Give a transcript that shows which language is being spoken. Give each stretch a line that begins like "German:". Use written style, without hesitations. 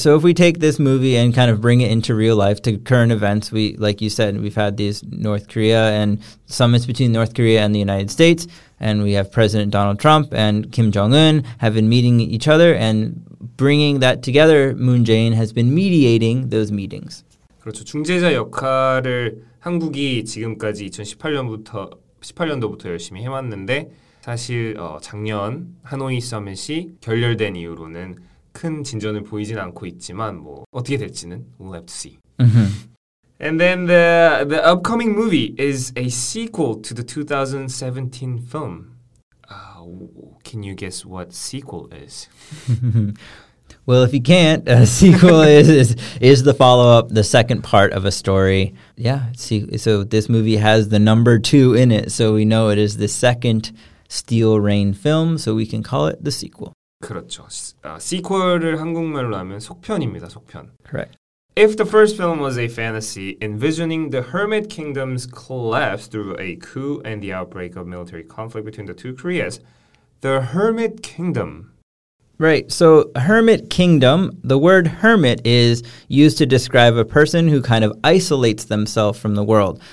English: So if we take this movie and kind of bring it into real life to current events, we, like you said, we've had these North Korea and summits between North Korea and the United States, and we have President Donald Trump and Kim Jong-un have been meeting each other, and bringing that together, Moon Jae-in has been mediating those meetings.
Korean: 그렇죠. 중재자 역할을 한국이 지금까지 2018년도부터 열심히 해왔는데 사실 작년 하노이 서밋이 결렬된 이후로는 큰 진전을 보이진 않고 있지만 뭐 어떻게 될지는
English: we'll have to see. Mm-hmm. And then the upcoming movie is a sequel to the 2017 film. Can you guess what sequel is? Well, if you can't, a sequel is the follow-up, the second part of a story. Yeah, so this movie has the number 2 in it, so we know it is the second Steel Rain film, so we can call it the sequel.
Korean: 그렇죠. 시퀄을 한국말로 하면 속편입니다, 속편.
English: Correct. If the first film was a fantasy, envisioning the Hermit Kingdom's collapse through a coup and the outbreak of military conflict between the two Koreas, the Hermit Kingdom... Right, so Hermit Kingdom, the word hermit is used to describe a person who kind of isolates themselves from the world.